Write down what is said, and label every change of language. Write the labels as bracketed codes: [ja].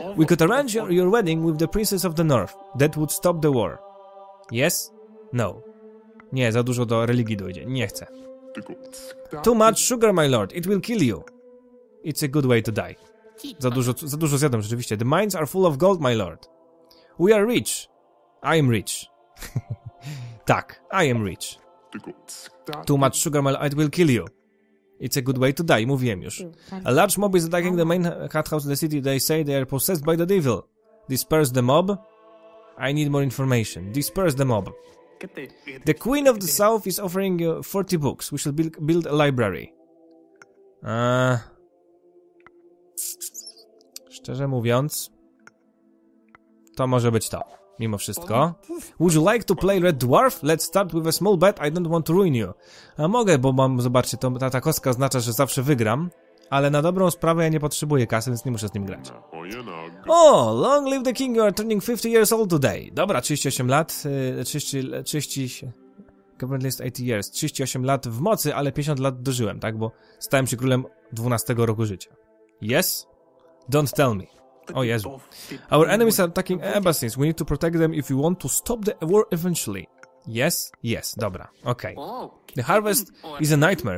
[en] We could arrange your wedding with the princess of the north. That would stop the war. Yes? No. [pl] Nie, za dużo do religii dojdzie. Nie chcę. [en] Too much sugar, my lord. It will kill you. It's a good way to die. [pl] Za dużo zjadłem, rzeczywiście. [en] The mines are full of gold, my lord. We are rich. I am rich. [pl] Tak, [en] I am rich. Too much sugar, my lord. It will kill you. It's a good way to die, [pl] mówiłem już. [en] A large mob is attacking the main cat house of the city. They say they are possessed by the devil. Disperse the mob. I need more information. Disperse the mob. The queen of the south is offering you 40 books. We should build a library. [pl] Szczerze mówiąc... To może być to. Mimo wszystko. [en] Would you like to play Red Dwarf? Let's start with a small bet. I don't want to ruin you. [pl] A mogę, bo mam, zobaczcie, ta kostka oznacza, że zawsze wygram. Ale na dobrą sprawę ja nie potrzebuję kasy, więc nie muszę z nim grać. [en] Oh, long live the king, you are turning 50 years old today. [pl] Dobra, 38 lat. 38 lat w mocy, ale 50 lat dożyłem, tak? Bo stałem się królem 12 roku życia. [en] Yes? Don't tell me. [pl] O Jezu. [en] Our enemies are attacking embassies. We need to protect them if we want to stop the war eventually. Yes? Yes. [pl] Dobra. [en] Okay. The harvest is a nightmare.